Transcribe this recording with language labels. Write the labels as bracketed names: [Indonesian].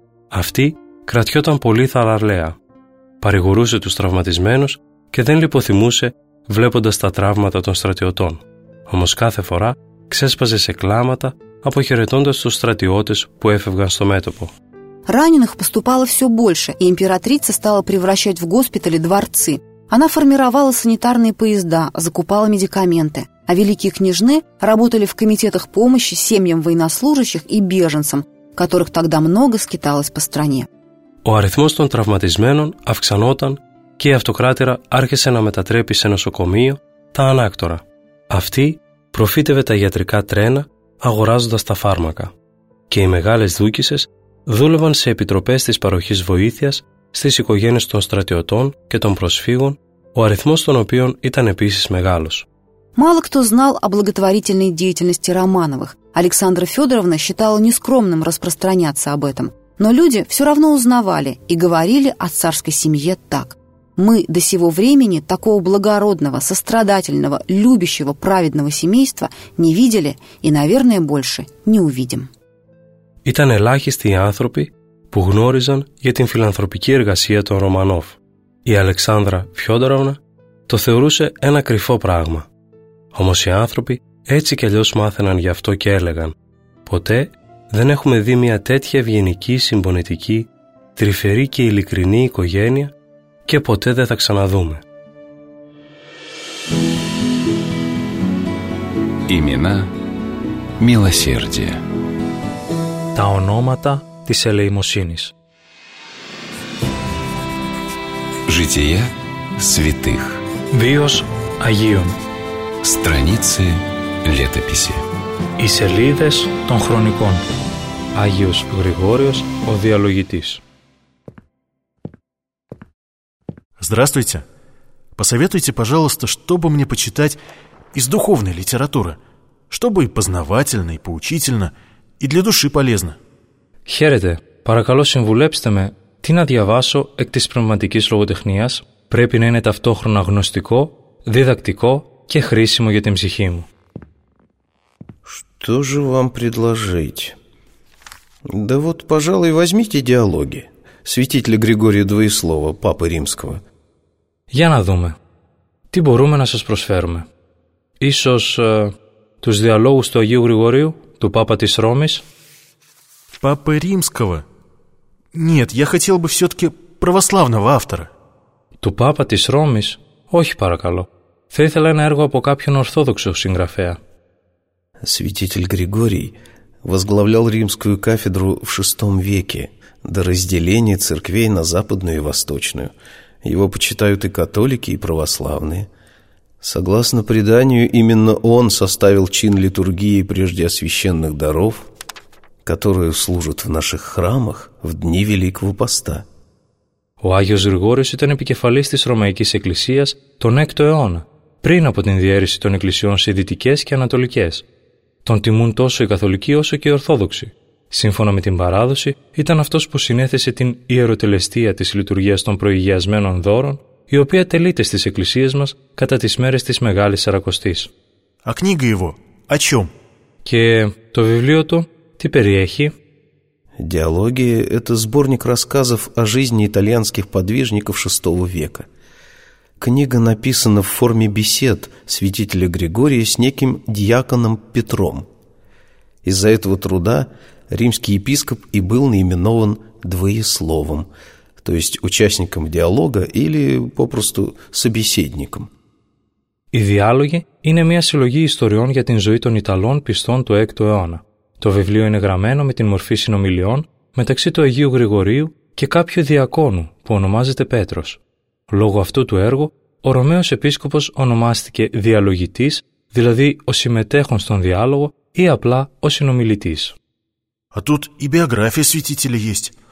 [Greek] Αυτή κρατιόταν πολύ θαλαρλέα. Παρηγορούσε τους τραυματισμένους και δεν λιποθυμούσε βλέποντας τα τραύματα των στρατιωτών. Όμως κάθε φορά ξέσπαζε σε κλάματα, αποχαιρετώντας τους στρατιώτες που έφευγαν στο μέτωπο. [Russian] Раненых поступало все больше, и императрица стала превращать в госпитале дворцы. Она формировала санитарные поезда, закупала медикаменты. А великие княжны работали в комитетах помощи семьям военнослужащих и беженцам, которых тогда много скиталось по стране. [Greek] Ο αριθμός των τραυματισμένων αυξανόταν και η αυτοκράτηρα άρχισε να μετατρέπει σε νοσοκομείο τα ανάκτορα. Αυτή προφύτευε τα ιατρικά τρένα αγοράζοντας τα φάρμακα. Και οι μεγάλες δούκισες δούλευαν σε επιτροπές της παροχής βοήθειας στις οικογένειες των στρατιωτών και των προσφύγων, ο αριθμός των οποίων ήταν επίσης μεγάλος. [Russian] Мало кто знал о благотворительной деятельности Романовых. Александра Федоровна считала нескромным распространяться об этом. Но люди все равно узнавали и говорили о царской семье так. Мы до сего времени такого благородного, сострадательного, любящего, праведного семейства не видели и, наверное, больше не увидим. [Greek] Ήταν ελάχιστοι οι άνθρωποι που γνώριζαν για την φιλανθρωπική εργασία των Ρωμανόφ. Η Αλεξάνδρα Φιόντοροβνα το θεωρούσε ένα κρυφό πράγμα. Όμως οι άνθρωποι έτσι κι αλλιώς μάθαιναν γι' αυτό και έλεγαν «Ποτέ δεν έχουμε δει μια τέτοια ευγενική, συμπονετική, τρυφερή και ειλικρινή οικογένεια και ποτέ δεν θα ξαναδούμε». [Russian] Имена милосердия. [Greek] Τα ονόματα της ελεημοσύνης. [Russian] Жития святых. [Greek] Βίος Αγίων. [Russian] Страницы летописи. [Greek] Οι σελίδες των χρονικών. Άγιος Γρηγόριος ο διαλογητής. [Russian] Здравствуйте. Посоветуйте, пожалуйста, что бы мне почитать из духовной литературы, чтобы и познавательно, и поучительно, и для души полезно. [Greek] Χαίρετε. Παρακαλώ συμβουλέψτε με τι να διαβάσω εκ της πνευματικής λογοτεχνίας. Πρέπει να είναι ταυτόχρονα γνωστικό, διδακτικό και χρήσιμο για την ψυχή μου. [Russian] Что же вам предложить? Да вот, пожалуй, возьмите диалоги святителя Григория Двоеслова, Папы Римского. [Greek] Για να δούμε. Τι μπορούμε να σας προσφέρουμε? Ίσως τους διαλόγους του Αγίου Γρηγορίου, του Πάπα της Ρώμης. [Russian] Папы Римского? Нет, я хотел бы все-таки православного автора. [Greek] Του Πάπα της Ρώμης? Όχι, παρακαλώ. Θα ήθελα ένα έργο από κάποιον ορθόδοξο συγγραφέα. [Russian] Святитель Григорий возглавлял римскую кафедру в VI веке до разделения церквей на западную и восточную. Его почитают и католики, и православные. Согласно преданию, именно он составил чин литургии прежде освященных даров, которые служат в наших храмах в дни Великого Поста. [Greek] Ο Άγιος Γρηγόριος ήταν επικεφαλής της Ρωμαϊκής Εκκλησίας τον 6ο αιώνα, πριν από την διαίρεση των εκκλησιών σε δυτικές και ανατολικές. Τον τιμούν τόσο οι Καθολικοί όσο και οι Ορθόδοξοι. Σύμφωνα με την παράδοση, ήταν αυτός που συνέθεσε την ιεροτελεστία της λειτουργίας των προηγιασμένων δώρων, η οποία τελείται στις εκκλησίες μας κατά τις μέρες της Μεγάλης Σαρακοστής. [Russian] А книга его о чём? [Greek] Και το βιβλίο του τι περιέχει? [Russian] Диалоги – это сборник рассказов о жизни итальянских подвижников VI века. Книга написана в форме бесед святителя Григория с неким диаконом Петром. Из-за этого труда римский епископ и был наименован Двоесловом, то есть участником диалога или попросту собеседником. [Greek] Οι διάλογοι είναι μια συλλογή ιστοριών για την ζωή των Ιταλών πιστών του 6ου αιώνα. Το βιβλίο είναι γραμμένο με την μορφή συνομιλιών μεταξύ του Αγίου Γρηγορίου και κάποιου διακόνου που ονομάζεται Πέτρος. Λόγω αυτού του έργου, ο Ρωμαίος Επίσκοπος ονομάστηκε διαλογητής, δηλαδή ο συμμετέχων στον διάλογο ή απλά ο συνομιλητής. [Russian] А тут и биография святителя есть.